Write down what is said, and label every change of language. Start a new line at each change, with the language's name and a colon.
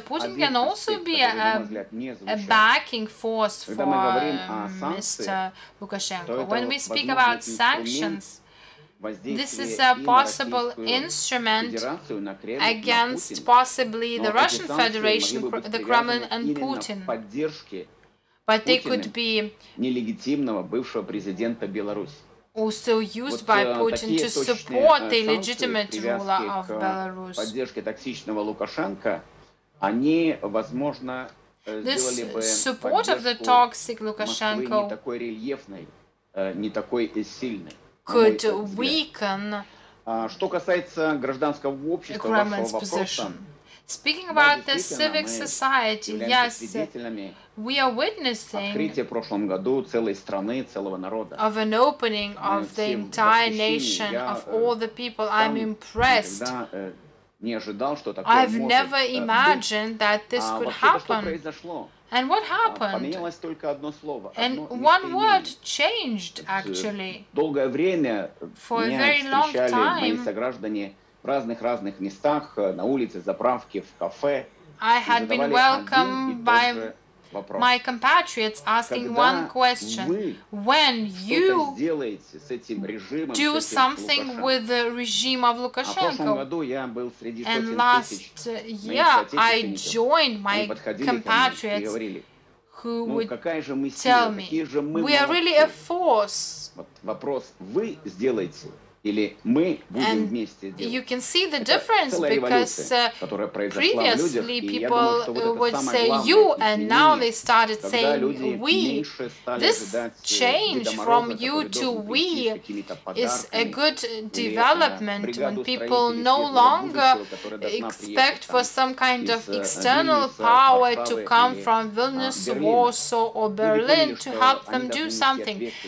English: Putin can also be a backing force for Mr. Lukashenko. When we speak about sanctions, this is a possible instrument against possibly the Russian Federation, the Kremlin, and Putin. But they could be
Russian: нелегитимного бывшего президента Беларуси.
English: Also used by Putin to support the illegitimate ruler of Belarus.
Russian: Поддержки токсичного Лукашенко, они, возможно,
English: this support of the toxic Lukashenko
Russian: не такой рельефной, не такой сильной.
English: Could weaken.
Russian: Что касается гражданского общества, вашего вопроса.
English: Speaking about the civic society, yes, we are witnessing of an opening of the entire nation, of all the people. I'm impressed. I've never imagined that this could happen. And what happened? And one word changed, actually. For a very long time,
Russian: в разных-разных местах, на улице, заправке, в кафе.
English: I had been welcomed by my compatriots asking one question. When you do something with the regime of Lukashenko, and last year I joined my compatriots who would tell me, we are really a force.
Russian: Вопрос, вы сделаете? Или мы будем вместе делать.
English: You can see the difference, because previously people would say you, and now they started saying we. This change from you to we is a good development, when people no longer expect for some kind of external power to come from Vilnius, Warsaw, or Berlin to help them do something.